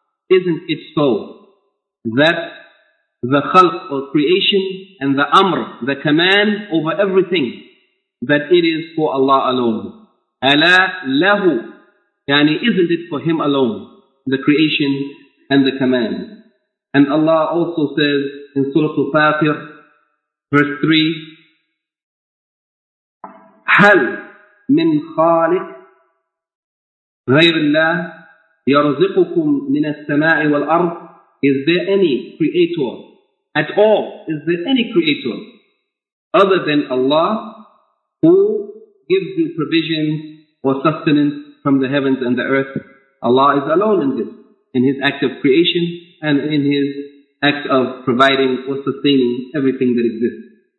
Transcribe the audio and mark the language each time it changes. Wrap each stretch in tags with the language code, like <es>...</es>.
<en>Isn't it so that the khalq or creation and the amr, the command over everything, that it is for Allah alone?</en> <ar>أَلَا لَهُ,</ar> <en>yani isn't it for Him alone, the creation and the command? And Allah also says in Surah Al-Fatir, verse 3,</en> <ar>هَلْ مِنْ خَالِقْ غَيْرِ اللَّهِ يَرْزِقُكُمْ مِنَ السَّمَاءِ وَالْأَرْضِ.</ar> <en>Is there any creator at all? Is there any creator other than Allah who gives you provision or sustenance from the heavens and the earth? Allah is alone in this, in His act of creation and in His act of providing or sustaining everything that exists.</en>